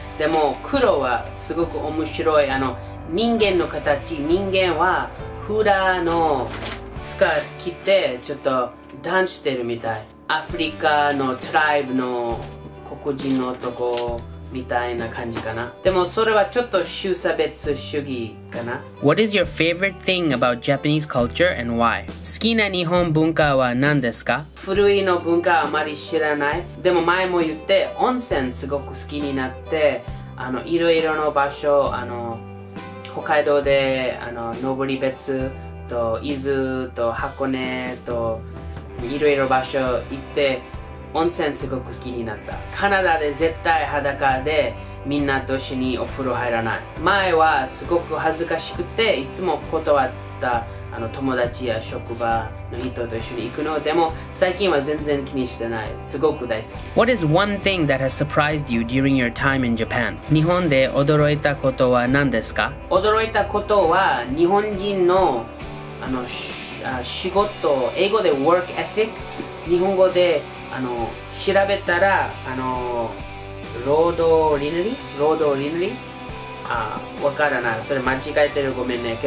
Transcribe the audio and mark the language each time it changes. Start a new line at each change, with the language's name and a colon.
Japanese: でも、黒はすごく面白い。人間の形、人間は、フラの、スカート着てちょっとダンスしてるみたい。アフリカのトライブの黒人の男みみたいな感じかな。でもそれはちょっと種差別主義かな。
English: What is your favorite thing about Japanese culture and why?
Japanese: 好きな日本文化は何ですか？古いの文化あまり知らない。でも前も言って温泉すごく好きになって、あのいろいろの場所、あの北海道で、あの登別と伊豆と箱根といろいろ場所行って温泉すごく好きになった。カナダで絶対裸でみんなと一緒にお風呂入らない。前はすごく恥ずかしくていつも断った。あの友達や職場の人と一緒に行くの。でも最近は全然気にしてない。すごく大好き。
English: What is one thing that has surprised you during your time in Japan?
Japanese: 日本で驚いたことは何ですか？驚いたことは日本人の、あの仕事、英語で work ethic、 日本語で、あの調べたら、あの労働倫理、わからない、それ間違えてる、ごめんね。